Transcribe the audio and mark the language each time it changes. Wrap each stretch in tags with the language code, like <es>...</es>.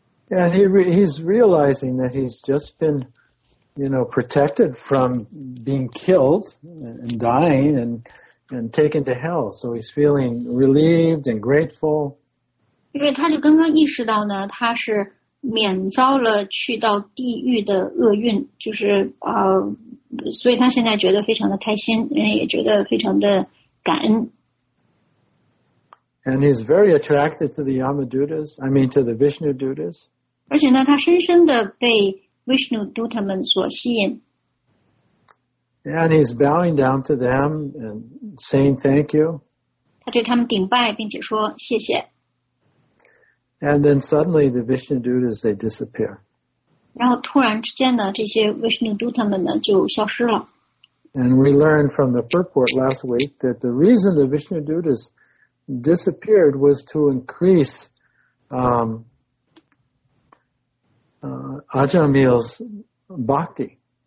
<en>And he's realizing that he's just been, you know, protected from being killed and dying and taken to hell, so he's feeling relieved and grateful.</en> <zh>因为他就刚刚意识到呢，他是免遭了去到地狱的厄运，就是所以他现在觉得非常的开心，人也觉得非常的感恩。</zh> <en>And he's very attracted to the Yamadutas, I mean to the Vishnu Dutas.</en> <zh>而且呢，他深深的被 Vishnu Duta 们所吸引。</zh> <en>And he's bowing down to them and saying thank you.</en> <zh>他对他们顶拜，并且说谢谢。</zh> <en>And then suddenly the Vishnu Dutas, they disappear.</en> <zh>然后突然之间呢，这些 Vishnu Duta 们呢就消失了。</zh> <en>And we learned from the purport last week that the reason the Vishnu Dutas disappeared was to increase Ajamil's bhakti.</en>